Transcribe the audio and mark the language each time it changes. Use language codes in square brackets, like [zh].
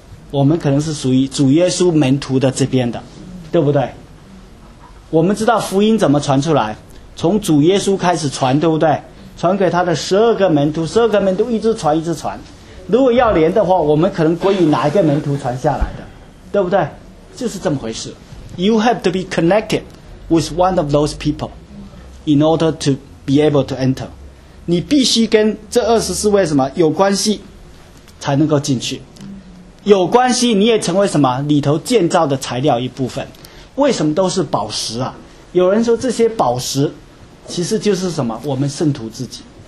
[zh] 我们可能是属于主耶稣门徒的这边的，对不对？我们知道福音怎么传出来，从主耶稣开始传，对不对？传给他的12个门徒，12个门徒一直传一直传。如果要连的话，我们可能归于哪一个门徒传下来的，对不对？就是这么回事。 [en] You have to be connected with one of those people in order to be able to enter。 [zh] 你必须跟这24位什么有关系才能够进去，有关系你也成为什么里头建造的材料一部分。为什么都是宝石啊？有人说这些宝石其实就是什么，我们圣徒自己。